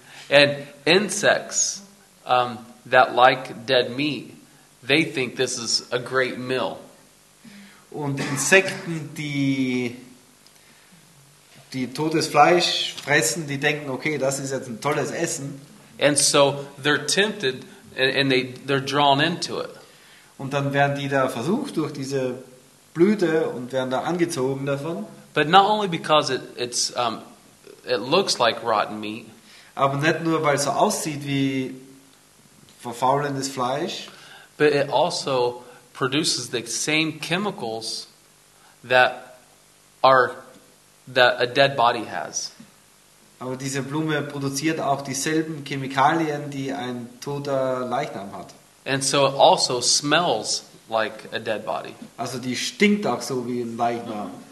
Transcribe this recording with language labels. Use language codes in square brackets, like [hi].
[en] And insects that like dead meat, they think this is a great meal. [de] Und Insekten, die totes Fleisch fressen, die denken, okay, das ist jetzt ein tolles Essen. [en] And so they're tempted and they're drawn into it. [de] Und dann werden die da versucht durch diese Blüte und werden da angezogen davon. [en] But not only because it looks like rotten meat. [de] Aber nicht nur, weil es so aussieht wie verfaulendes Fleisch. [en] But it also produces the same chemicals that a dead body has. [de] Aber diese Blume produziert auch dieselben Chemikalien, die ein toter Leichnam hat. [en] And so it also smells like a dead body. [de] Also die stinkt auch so wie ein Leichnam.